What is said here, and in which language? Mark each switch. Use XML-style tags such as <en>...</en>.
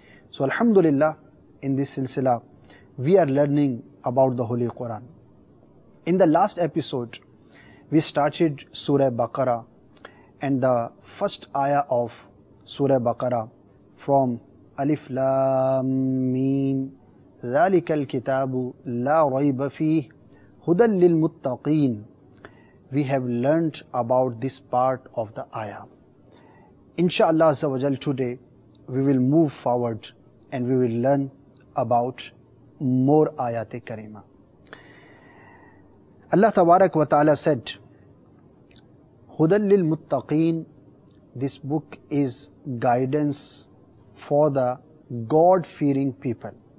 <en>So alhamdulillah, in this silsila, we are learning about the Holy Quran. In the last episode, we started Surah Baqarah and the first ayah of Surah Baqarah from Alif Lam Mim.</en> <ar>ذلك الكتاب لا ريب فيه هدى للمتقين.</ar> <en>We have learnt about this part of the ayah. Inshallah Azza wa Jal, today we will move forward and we will learn about more ayat kareema. Allah Tabarak wa Ta'ala said, هدى للمتقين, this book is guidance for the God-fearing people.</en>